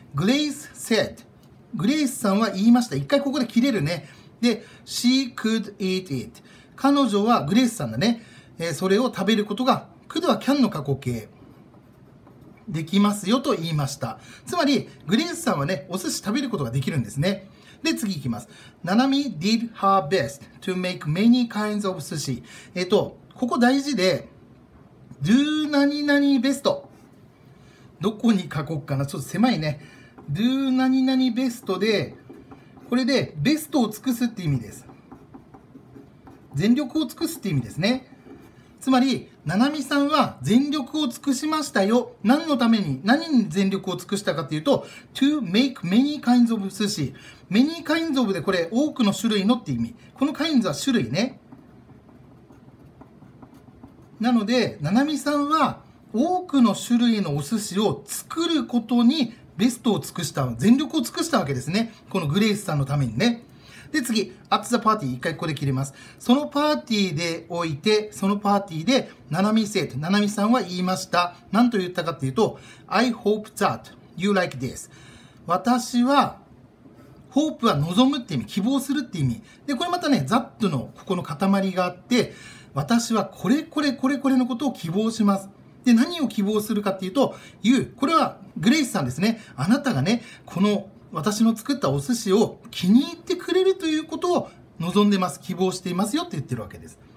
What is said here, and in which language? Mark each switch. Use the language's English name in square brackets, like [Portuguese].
[English] Grace said、 [Japanese] グレイスさんは言いました。一回ここで切れるね。 [English] で、 She could eat it。 [Japanese] 彼女は、グレイスさんだね、それを食べることが、 could は can の過去形、できますよと言いました。つまりグレイスさんはね、お寿司食べることができるんですね。で、次いきます。 [English] ななみ did her best to make many kinds of sushi。 [Japanese] ここ大事で、do 何々 best。どこに書こうかな。ちょっと狭いね。do 何々 best で、これでベストを尽くすって意味です。全力を尽くすって意味ですね。つまり、ななみさんは全力を尽くしましたよ。何のために、何に全力を尽くしたかというと、 [English] to make many kinds of sushi。 [Japanese] many kinds of でこれ、多くの種類のって意味。この kinds は種類ね。なので、ななみさんは多くの種類のお寿司を作ることにベストを尽くした、全力を尽くしたわけですね。このグレイスさんのためにね。で、次、 [English] at the party、 [Japanese] 一回ここで切れます。そのパーティーでおいて、そのパーティーで、ななみせいと、ななみさんは言いました。何と言ったかっていうと、 [English] I hope that you like this。 [Japanese] 私は、hope は望むって意味、希望するって意味。で、これまたね、that のここの塊があって、私はこれこれこれこれのことを希望します。で、何を希望するかっていうと、you、これはグレイスさんですね。あなたがね、この、私の作ったお寿司を気に入ってくれるということを望んでます、希望していますよって言ってるわけです。